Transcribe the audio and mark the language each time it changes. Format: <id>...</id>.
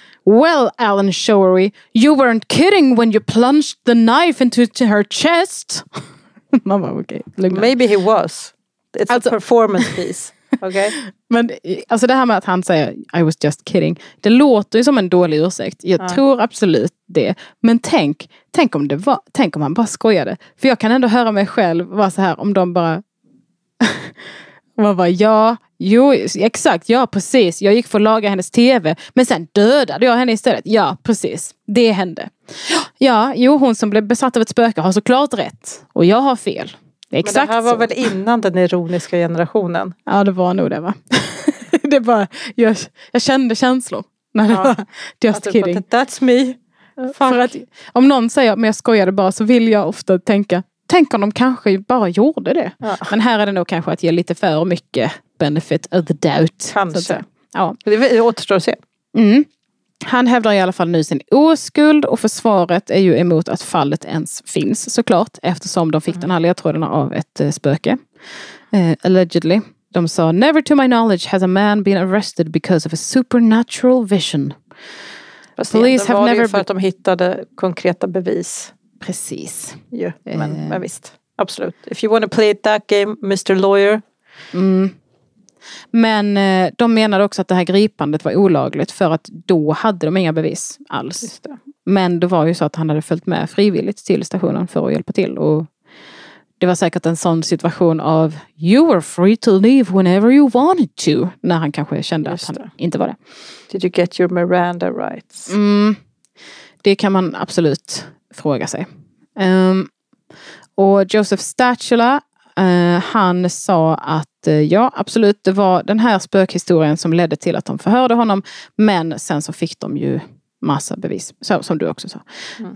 <en>Well, Allen Showery, you weren't kidding when you plunged the knife into her chest.</en> <sv>Man bara, okej.</sv> <en>Okay, maybe he was. It's alltså, a performance piece. Okay?</en> <sv>Men alltså det här med att han säger</sv> <en>I was just kidding,</en> <sv>det låter ju som en dålig ursäkt. Jag tror absolut det. Men tänk om det var, tänk om han bara skojade. För jag kan ändå höra mig själv vara så här, om de bara... Man bara, ja, jo, exakt, ja, precis. Jag gick för att laga hennes tv, men sen dödade jag henne istället. Ja, precis. Det hände. Ja, jo, hon som blev besatt av ett spöke har såklart rätt. Och jag har fel. Exakt. Men det här var så. Väl innan den ironiska generationen? Ja, det var nog det, va? Det bara, jag kände känslor. När det var</sv> <en>just kidding. That's me. Fuck.</en> <sv>För att, om någon säger, men jag skojade bara, så vill jag ofta tänka... Tänk om de kanske bara gjorde det. Ja. Men här är det nog kanske att ge lite för mycket</sv> <en>benefit of the doubt.</en> <sv>Kanske. Ja. Det återstår att se. Mm. Han hävdar i alla fall nu sin oskuld. Och försvaret är ju emot att fallet ens finns såklart. Eftersom de fick den här ledtrådarna av ett spöke.</sv> <en>Allegedly.</en> <sv>De sa,</sv> <en>never to my knowledge has a man been arrested because of a supernatural vision.</en> <sv>Fast</sv> <en>police have never</en> <sv>för att de hittade konkreta bevis. Precis. Ja, men visst. Absolut.</sv> <en>If you want to play that game, Mr. Lawyer.</en> <sv>Mm. Men de menade också att det här gripandet var olagligt för att då hade de inga bevis alls. Just det. Men det var ju så att han hade följt med frivilligt till stationen för att hjälpa till. Och det var säkert en sån situation av</sv> <en>you were free to leave whenever you wanted to.</en> <sv>När han kanske kände just att han det. Inte var det.</sv> <en>Did you get your Miranda rights?</en> <sv>Mm. Det kan man absolut fråga sig. Och Joseph Stachula, han sa att ja, absolut, det var den här spökhistorien som ledde till att de förhörde honom, men sen så fick de ju massa bevis, så, som du också sa. Mm.</sv>